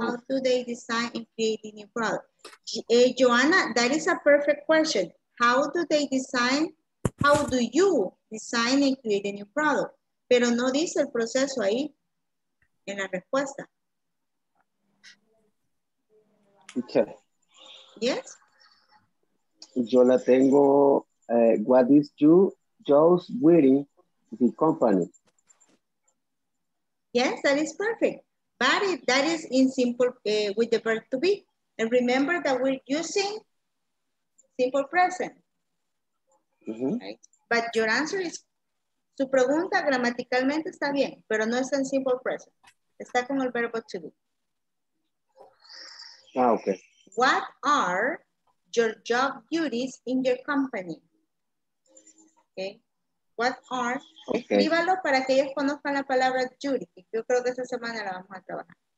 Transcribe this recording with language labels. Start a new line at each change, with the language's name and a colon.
English: How do they design and create a new product? Joanna, that is a perfect question. How do they design? How do you design and create a new product?
Spanish: Pero no dice el proceso ahí en la respuesta.
English: Okay. Yes.
Spanish: Yo la tengo.
English: What is Joe's wedding, the company? Yes, that is perfect. But that is in simple with the verb to be. And remember that we're using simple present. Mm-hmm. Right. But your answer is,
Spanish: su pregunta gramaticalmente está bien, pero no está en simple present. Está con el verbo to be.
English: Ah, okay. What are your job duties in your company? Okay. What are, okay.
Spanish: Escríbalo para que ellos conozcan la palabra duties. Yo creo que esta semana la vamos a trabajar.